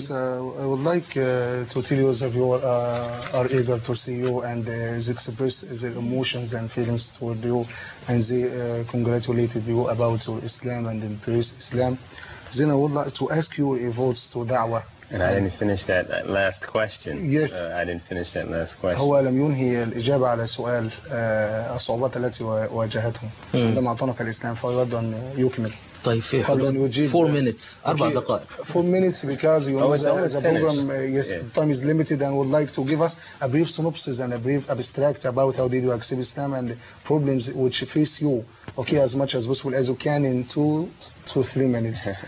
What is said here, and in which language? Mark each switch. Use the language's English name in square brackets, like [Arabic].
[English] Yes, I would like to tell you that you are able to see you and express the emotions and feelings toward you and they congratulated you about your Islam and embrace Islam. Then I would like to ask you a vote to Dawah And I didn't finish that last question. Yes. I didn't finish that last question. [Arabic] هو لم ينهي الإجابة على سؤال الصعوبات التي واجهته عندما اعطناك الإسلام فأريد أن يكمل. طيب في حدود [English] 4 minutes [Arabic] 4 دقائق. [English] 4 minutes because you know the program yes, yeah. time is limited and would like to give us a brief synopsis and a brief abstract about how did you accept Islam and problems which face you. Okay, as much as possible as you can in 2-3 minutes.